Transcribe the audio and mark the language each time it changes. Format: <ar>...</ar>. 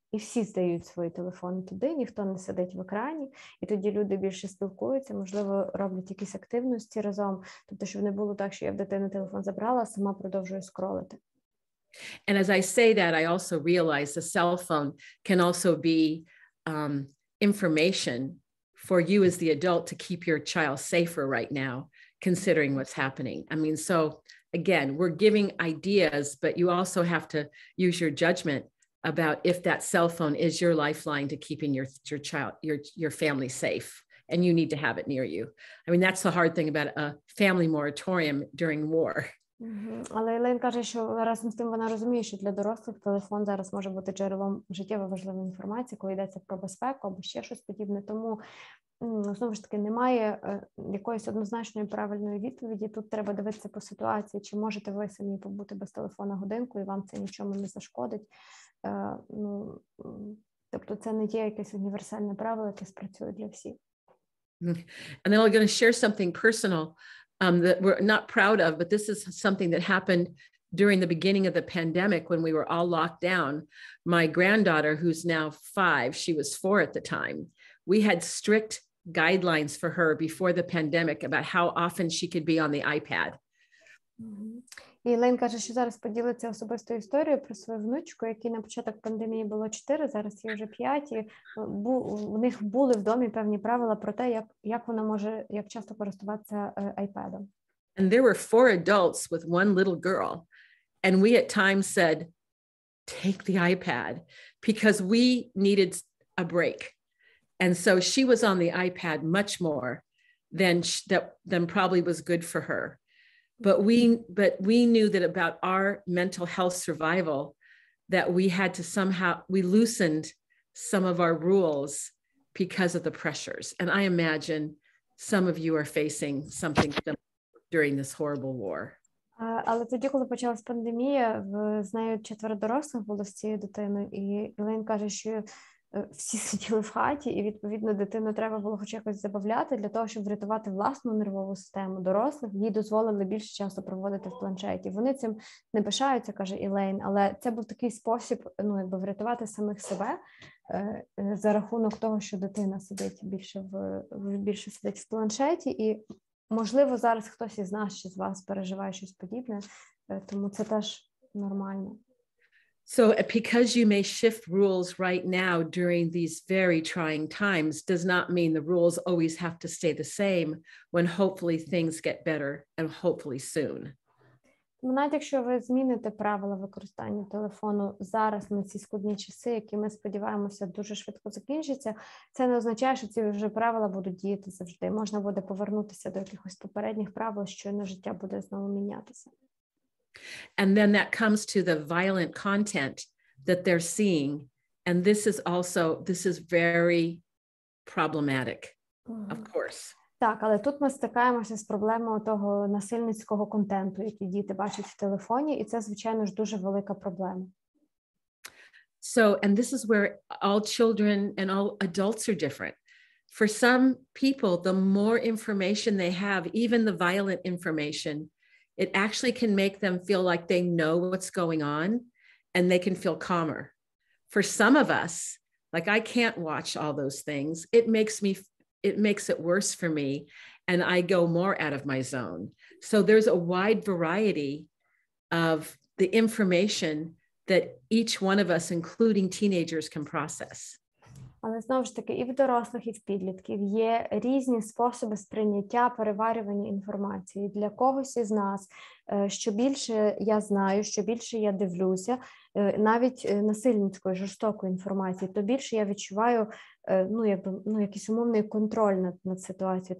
<uk>І всі здають свої телефони туди, ніхто не сидить в екрані, і тоді люди більше спілкуються, можливо, роблять якісь активності разом. Тобто, щоб не було так, що я в дитини телефон забрала, а сама продовжую скролити.</uk> <en>And as I say that, I also realize a cell phone can also be information for you as the adult to keep your child safer right now, considering what's happening. I mean, so again, we're giving ideas, but you also have to use your judgment about if that cell phone is your lifeline to keeping your child, your family safe, and you need to have it near you. I mean, that's the hard thing about a family moratorium during war. Mm-hmm.</en> <uk>Але Елен каже, що разом з тим вона розуміє, що для дорослих телефон зараз може бути джерелом життєво важливої інформації, коли йдеться про безпеку або ще щось подібне. Тому, знову ж таки, немає якоїсь однозначної правильної відповіді. Тут треба дивитися по ситуації, чи можете ви самі побути без телефона годинку, і вам це нічому не зашкодить. Ну, тобто це не є якесь універсальне правило, яке спрацює для всіх.</uk> <en>And then I'm going to share something personal. That we're not proud of, but this is something that happened during the beginning of the pandemic when we were all locked down. My granddaughter, who's now 5, she was 4 at the time. We had strict guidelines for her before the pandemic about how often she could be on the iPad.</en> <uk>Mm-hmm. І Лен каже, що зараз поділиться особистою історією про свою внучку, якій на початок пандемії було 4, зараз їй вже 5, і в них були в домі певні правила про те, як вона може, як часто користуватися iPad-ом.</uk> <en>And there were 4 adults with one little girl, and we at times said, take the iPad, because we needed a break. And so she was on the iPad much more than probably was good for her. But we knew that about our mental health survival, that we had to somehow, we loosened some of our rules because of the pressures. And I imagine some of you are facing something during this horrible war.</en> <uk>Але тоді, коли почалась пандемія, з нею 4 дорослих було з цією дитиною, і Лен каже, що всі сиділи в хаті, і відповідно дитину треба було хоч якось забавляти для того, щоб врятувати власну нервову систему дорослих. Їй дозволили більше часу проводити в планшеті. Вони цим не пишаються, каже Елейн, але це був такий спосіб, ну якби врятувати самих себе за рахунок того, що дитина сидить більше сидить в планшеті. І можливо зараз хтось із нас чи з вас переживає щось подібне, тому це теж нормально.</uk> <en>So because you may shift rules right now during these very trying times does not mean the rules always have to stay the same when hopefully things get better and hopefully soon.</en> <uk>Навіть якщо ви зміните правила використання телефону зараз на ці складні часи, які ми сподіваємося дуже швидко закінчаться, це не означає, що ці вже правила будуть діяти завжди. Можна буде повернутися до якихось попередніх правил, щойно життя буде знову мінятися.</uk> <en>And then that comes to the violent content that they're seeing. And this is very problematic, of course.</en> <uk>Так, але тут ми стикаємося з проблемою того насильницького контенту, який діти бачать в телефоні, і це, звичайно ж, дуже велика проблема.</uk> <en>So, and this is where all children and all adults are different. For some people, the more information they have, even the violent information, it actually can make them feel like they know what's going on and they can feel calmer. For some of us, like I can't watch all those things. It makes it worse for me and I go more out of my zone. So there's a wide variety of the information that each one of us, including teenagers, can process.</en> <uk>Але знову ж таки, і в дорослих, і в підлітків є різні способи сприйняття, переварювання інформації. Для когось із нас, що більше я знаю, що більше я дивлюся, навіть насильницької, жорстокої інформації, то більше я відчуваю, ну, якби, ну, якийсь умовний контроль над ситуацією.</uk>